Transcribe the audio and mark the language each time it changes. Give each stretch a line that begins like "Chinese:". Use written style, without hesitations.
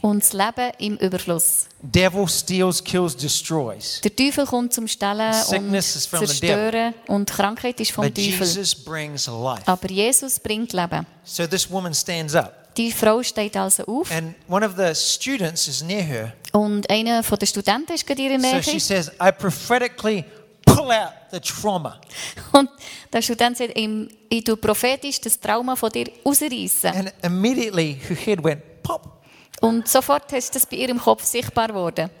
German: Und das Leben im Überfluss.
English: Devil steals, kills, destroys.
German: Der Teufel kommt zum Stellen
English: sickness
German: und zerstören und Krankheit ist vom
English: but
German: Teufel.
English: Jesus brings life.
German: Aber Jesus bringt Leben.
English: So this woman stands up.
German: Die Frau steht also auf.
English: And one of the students is near her.
German: Und einer von den Studenten ist gerade ihre Nähe.
English: So she says, I prophetically pull out the trauma.
German: Und der Student sagt, ich tue prophetisch das Trauma von dir ausreißen.
English: And immediately her head went pop.
German: Und sofort ist das bei ihrem Kopf sichtbar worden.